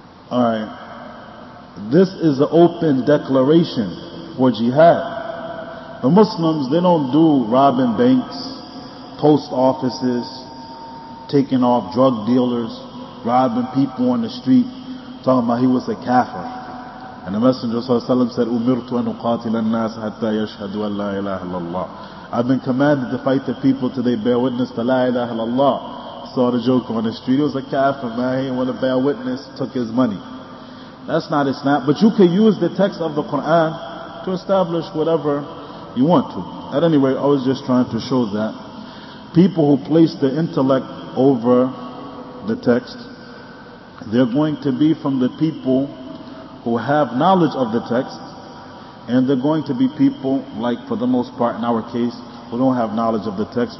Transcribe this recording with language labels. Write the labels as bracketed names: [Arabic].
[English] Alright. This is an open declaration for jihad. The Muslims, they don't do robbing banks, post offices, taking off drug dealers, robbing people on the street, talking about he was a kafir. And the Messenger said, [Arabic] أُمِرْتُ أَنْ أُقَاتِلَ النَّاسَ حَتَّى يَشْهَدُوا أَنْ لَا إِلَهَ إِلَّا اللَّهِ. [English] I've been commanded to fight the people till they bear witness to La ilaha illallah. Saw the joker on the street. He was a kafir, man. He didn't want to bear witness, took his money. That's not Islam. But you can use the text of the Quran to establish whatever you want to. At any rate, I was just trying to show that people who place their intellect over the text, they're going to be from the people who have knowledge of the text, and they're going to be people, like for the most part in our case, who don't have knowledge of the text.